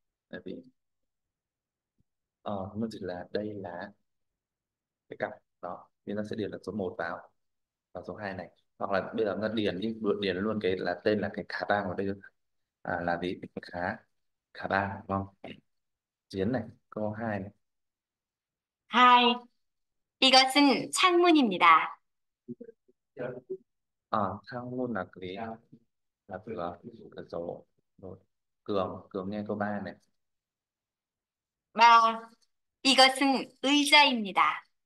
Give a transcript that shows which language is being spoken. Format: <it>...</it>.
<vi>tại vì nó chỉ là đây là cái cặp đó nên ta sẽ điền là số 1 vào và số 2 này hoặc là bây giờ ta điền đi điền luôn cái là tên là cái khả ba ở đây là gì khả khả ba đúng không chiến này câu 2 này</vi> <ko>Hai, 이것은 창문입니다.</ko> <vi>thang luôn là cái là cửa ví dụ cửa sổ rồi cường cường nghe câu 3 này</vi> <ko>Ba, 이것은 의자입니다.</ko>